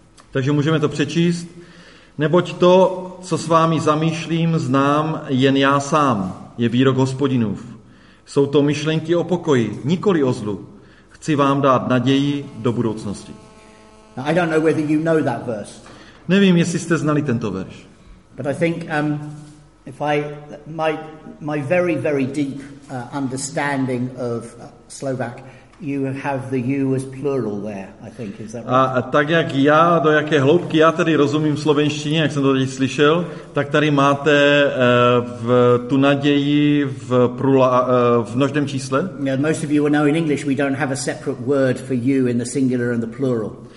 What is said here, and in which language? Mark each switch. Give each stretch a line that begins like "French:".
Czech: Takže můžeme to přečíst. Neboť to, co s vámi zamýšlím, znám jen já sám, je výrok Hospodinův. Jsou to myšlenky o pokoji, nikoli o zlu. Chci vám dát naději do budoucnosti.
English: Now, I don't know whether you know that verse.
Czech: Nevím, jestli jste znali tento verš.
English: But I think if I my very very deep understanding of Slovak, you have the you as plural there, I think, is that right?
Czech: A tak jak já, do jaké hloubky já tady rozumím slovenštině, jak jsem to teď slyšel, tak tady máte v tu naději v množném čísle.
English: Yeah, most of you will know in English we don't have a separate word for you in the singular and the plural.